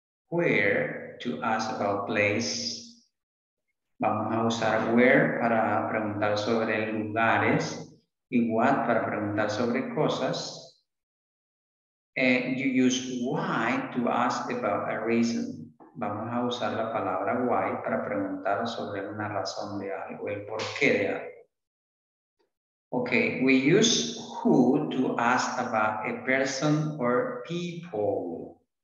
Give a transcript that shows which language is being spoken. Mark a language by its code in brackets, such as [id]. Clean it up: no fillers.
[en] Where to ask about place. [es] Vamos a usar where para preguntar sobre lugares y what para preguntar sobre cosas. [en] And you use why to ask about a reason. [es] Vamos a usar la palabra why para preguntar sobre una razón de algo, el porqué de algo. [en] Okay, we use who to ask about a person or people.